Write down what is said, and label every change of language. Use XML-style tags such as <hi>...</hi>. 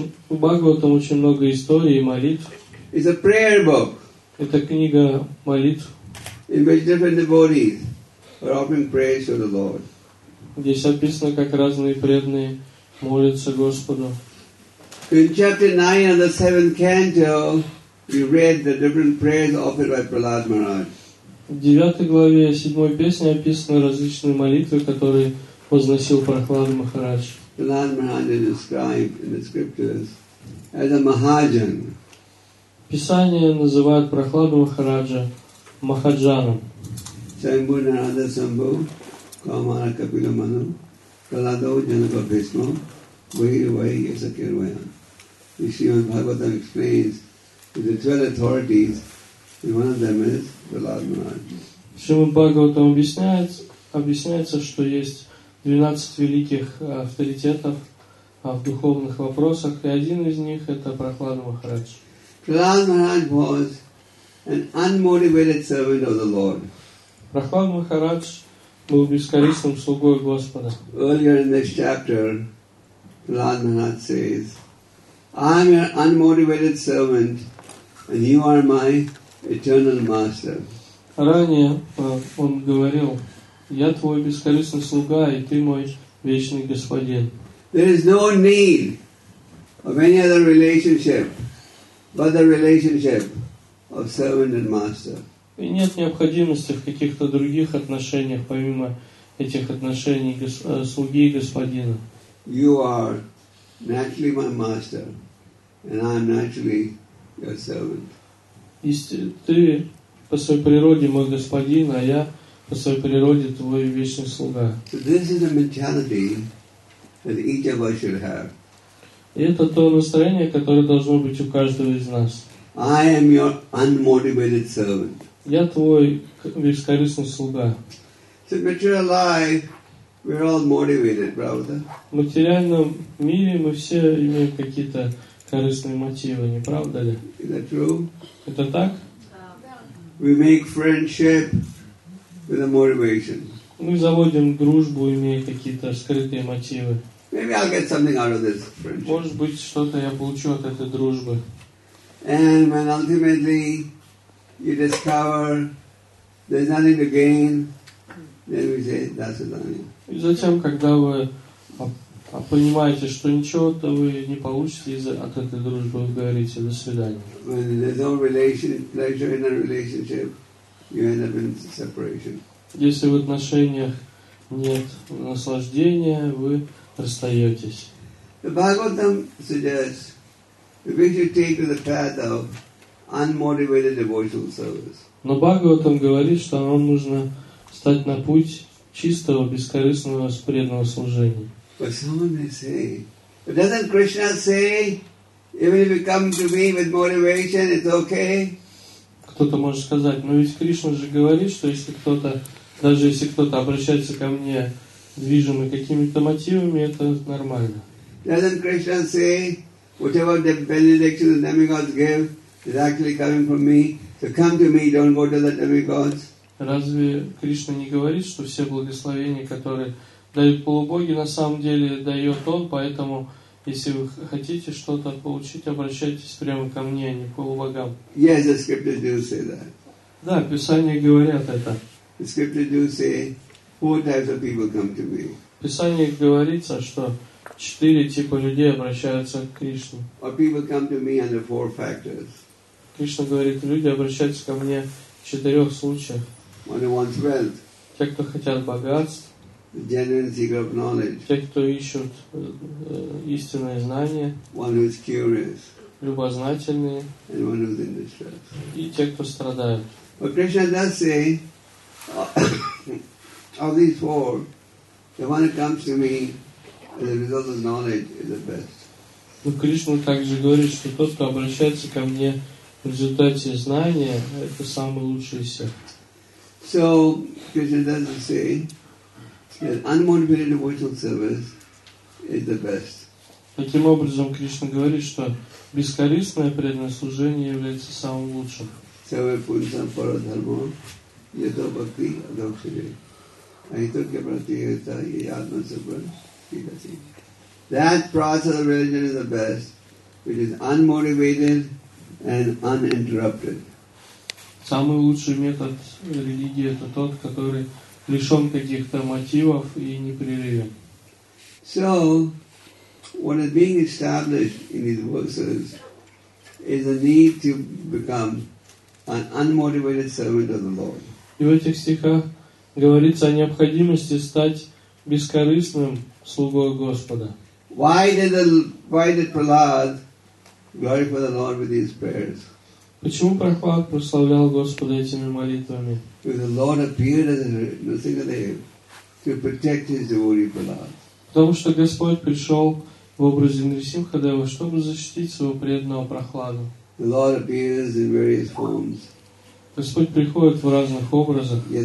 <ru>Бхагаватам очень много историй и молитв.</ru> <en>It's a prayer book.</en> <ru>Это книга молитв.</ru> <en>In which different devotees are offering prayers to the Lord.</en> <ru>Здесь описано, как разные преданные молятся Господу.</ru> <en>In chapter 9 of the seventh canto, we read the different prayers offered by Prahlad Maharaj.</en> <ru>В 9 главе 7 песни описаны различные молитвы, которые возносил Прахлад Махарадж.</ru> <en>Prahlad Maharaj is described in the scriptures as a Mahajan.</en> <ru>Писание называет Прахлада Махараджа Махаджаном.</ru> <sa>Sambhu Narada Sambhu Kamara Kapila Manu Prahlado Janaka Bhishma Vahir Vahir Yasa Kirvaya.</sa> <en>You see, when Bhagavatam explains with the 12 authorities, and one of them is Prahlad Maharaj.</en> <ru>Shrimad Bhagavatam объясняется, что есть 12 великих авторитетов в духовных вопросах, и один из них — это Прахлад Махарадж.</ru> <en>Prahlad Maharaj was an unmotivated servant of the Lord.</en> <ru>Прахлад Махарадж был бескорыстным слугой Господа.</ru> <en>Earlier in this chapter, Prahlad Maharaj says, I am your unmotivated servant, and you are my eternal master.</en> <ru>Ранее он говорил, я твой бескорыстный слуга, и ты мой вечный господин.</ru> <en>There is no need of any other relationship but the relationship of servant and master.</en> <ru>И нет необходимости в каких-то других отношениях, помимо этих отношений слуги и господина.</ru> <en>You are naturally my master, and I am naturally your servant.</en> <ru>Ты по своей природе мой господин, а я по своей природе твой вечный слуга.</ru> <en>So this is the mentality that each of us should have.</en> <ru>И это то настроение, которое должно быть у каждого из нас.</ru> <en>I am your unmotivated servant.</en> <ru>Я твой бескорыстный слуга.</ru> <en>So material life, we're all motivated,</en> <ru>правда? В материальном мире мы все имеем какие-то корыстные мотивы, не правда ли?</ru> <en>Is that true?</en> <ru>Это так?</ru> <en>We make friendship with a motivation.</en> <ru>Мы заводим дружбу, имея какие-то скрытые мотивы.</ru> <en>Maybe I'll get something out of this friendship.</en> <ru>Может быть, что-то я получу от этой дружбы.</ru> <en>And when ultimately you discover there's nothing to gain, then we say that's it.</en> <ru>И затем, когда вы понимаете, что ничего-то вы не получите от этой дружбы, вы говорите до свидания.</ru> <en>When there's no pleasure in a relationship, you end up in separation.</en> <ru>Если в отношениях нет наслаждения, вы расстаетесь.</ru> <en>The Bhagavatam suggests that we should take to the path of unmotivated devotional service.</en> <ru>Но Бхагаватам говорит, что нам нужно стать на путь чистого, бескорыстного, преданного служения.</ru> <en>But someone may say, but doesn't Krishna say, even if you come to me with motivation, it's okay?</en> <ru>Кто-то может сказать, но ведь Кришна же говорит, что если кто-то, даже если кто-то обращается ко мне, движимый какими-то мотивами, это нормально.</ru> <en>Doesn't Krishna say, whatever the benediction the demigods give is actually coming from me, so come to me, don't go to the demigods?</en> <ru>Разве Кришна не говорит, что все благословения, которые дают полубоги, на самом деле дает он, поэтому если вы хотите что-то получить, обращайтесь прямо ко мне, а не к полубогам.</ru> <en>Yes, the scriptures do say that.</en> <ru>Да, Писания говорят это.</ru> <en>The scriptures do say four types of people come to me.</en> <ru>В Писании говорится, что четыре типа людей обращаются к Кришне.</ru> <en>Or people come to me under four factors.</en> <ru>Кришна говорит, люди обращаются ко мне в четырех случаях.</ru> <en>One who wants wealth.</en> <ru>Те, кто хотят богатств.</ru> <en>The genuine seeker of knowledge.</en> <ru>Те, кто ищут истинное знание.</ru> <en>One who is curious.</en> <ru>Любознательные.</ru> <en>And one who is in distress.</en> <ru>И те, кто страдают.</ru> <en>But Krishna does say, of these four, the one who comes to me as a result of knowledge is the best.</en> <ru>Но Кришна также говорит, что тот, кто обращается ко мне в результате знания, это самый лучший из всех.</ru> <en>So Krishna does say that unmotivated devotional service is the best.</en> <ru>Таким образом, Кришна говорит, что бескорыстное преданное служение является самым лучшим.</ru> <sa>Seva punsam para dharma yato bhakti adokshire aitokya pratyayata yadma sabran kikati.</sa> <en>That process of religion is the best, which is unmotivated and uninterrupted.</en> <ru>Самый лучший метод религии — это тот, который лишен каких-то мотивов и непрерывен.</ru> <en>So, what is being established in these verses is a need to become an unmotivated servant of the Lord.</en> <ru>И в этих стихах говорится о необходимости стать бескорыстным слугой Господа.</ru> <en>Why did Prahlad glorify the Lord with these prayers?</en> <ru>Почему Прохлад прославлял Господа этими молитвами?</ru> <en>Because the Lord appeared as a Nrsingadev to protect his devotee Prahlad.</en> <ru>Потому что Господь пришел в образе Нрисимхадева, чтобы защитить своего преданного Прохлада.</ru> <en>The Lord appears in various forms.</en> <ru>Господь приходит в разных образах.</ru>